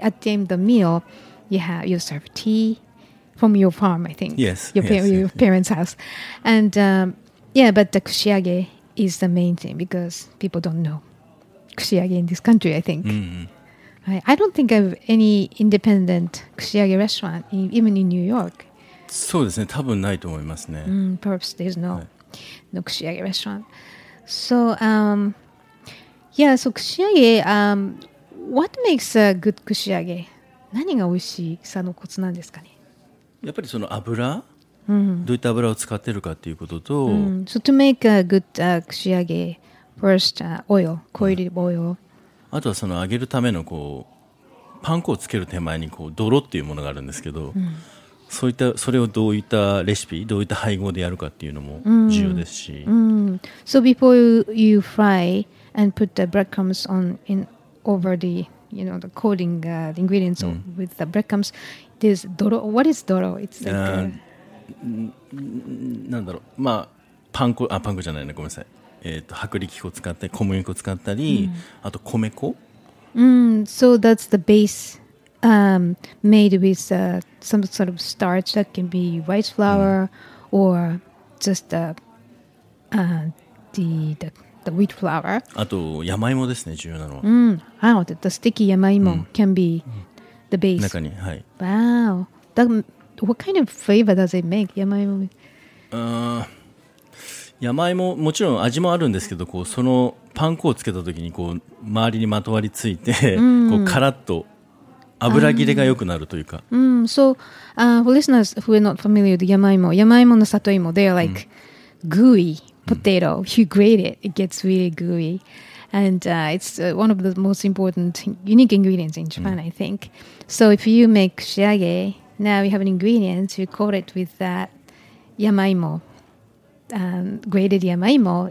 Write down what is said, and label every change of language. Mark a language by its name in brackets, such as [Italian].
[English] At the end of the meal, you have you serve tea from your farm, I think. Yes. Your parents' house. And yeah, but the 串揚げis the main thing because people don't know 串揚げ in this country, I think. I don't think of any independent 串揚げ restaurant, even in New York. [Japanese] そうですね。多分ないと思いますね。 [English] Perhaps there's no 串揚げ restaurant. So, yeah, so 串揚げ, what makes a good 串揚げ? [Japanese] 何が美味しさのコツなんですかね? やっぱりその油? どういった油を使っているかということと、 [English] So to make a good 串揚げ first oil, coated oil. [Japanese] あとはその揚げるためのこうパン粉をつける手前にこう泥っていうものがあるんですけど、そういったそれをどういったレシピどういった配合でやるかっていうのも重要ですし、 [English] So before you fry and put the breadcrumbs on in over the you know the coating the ingredients with the breadcrumbs, there's 泥 What is 泥? It's like [Japanese] なんだろう、まあ、パン粉あパン粉じゃないねごめんなさい、薄力粉を使ったり小麦粉を使ったり、あと米粉、 [English] So that's the base made with some sort of starch that can be rice flour or just the wheat flour [Japanese] あと山芋ですね重要なのは、 [English] The sticky 山芋 can be the base [Japanese] 中に、はい、 [English] Wow that,What kind of flavor does it make? [Japanese] 山芋。山芋もちろん味もあるんですけど、こうそのパン粉をつけた時にこう周りにまとわりついて、こうカラッと油切れが良くなるというか。 [English] So, for listeners who are not familiar with 山芋、 [Japanese] 山芋の里芋、 [English] they are like gooey potato. If you grate it, it gets really gooey, and it's one of the most important unique ingredients in Japan, I think. So if you make 串揚げNow you have an ingredient, you coat it with that yamaimo, grated yamaimo.